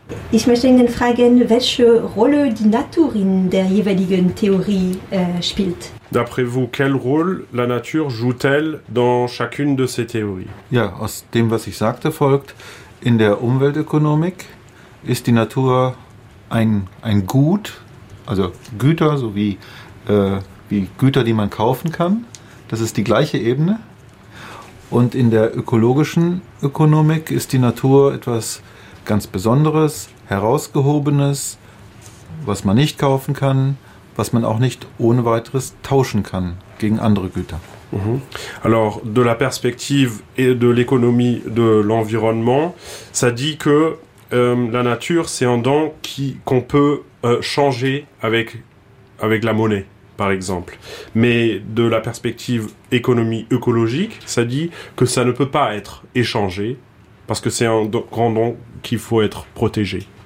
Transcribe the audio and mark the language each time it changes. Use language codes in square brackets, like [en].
[de] Ich möchte Ihnen fragen, welche Rolle die Natur in der jeweiligen Theorie spielt. [fr] D'après vous, quel rôle la nature joue-t-elle dans chacune de ces théories? [de] Ja, aus dem, was ich sagte, folgt, in der Umweltökonomik ist die Natur ein Gut, also Güter, so wie Güter, die man kaufen kann. Das ist die gleiche Ebene. Und in der ökologischen Ökonomik ist die Natur etwas ganz Besonderes, Herausgehobenes, was man nicht kaufen kann, was man auch nicht ohne weiteres tauschen kann gegen andere Güter. Mm-hmm. [fr] Alors, de la perspective et de l'économie de l'environnement, ça dit que la nature, c'est un don qu'on peut changer avec la monnaie, par exemple. Mais de la perspective économie écologique, ça dit que ça ne peut pas être échangé, parce que c'est un grand don qu'il faut être protégé.